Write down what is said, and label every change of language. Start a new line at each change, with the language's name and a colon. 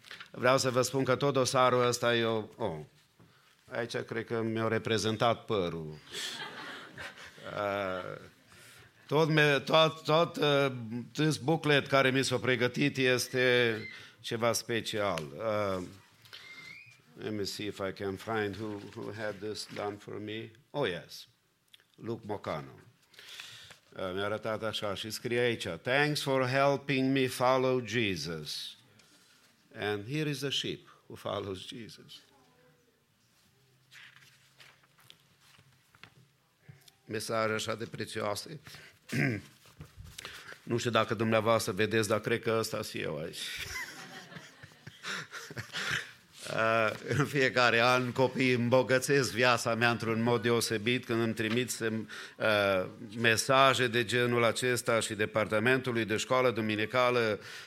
Romanian: Vreau să vă spun că tot dosarul ăsta e o... Oh, aici cred că mi-a reprezentat părul. Tot buclet care mi s-a pregătit este ceva special.
English: Let me see if I can find who had this done for me. Oh, yes. Luke Mocano.
Romanian: Mi-a arătat așa și scrie aici.
English: Thanks for helping me follow Jesus. And here is the sheep who follows Jesus.
Romanian: Mesaje așa de prețioase. Nu știu dacă dumneavoastră vedeți, dar cred că ăsta sunt eu aici. În fiecare an copiii îmbogățesc viața mea într-un mod deosebit când îmi trimit mesaje de genul acesta și departamentului de școală duminicală.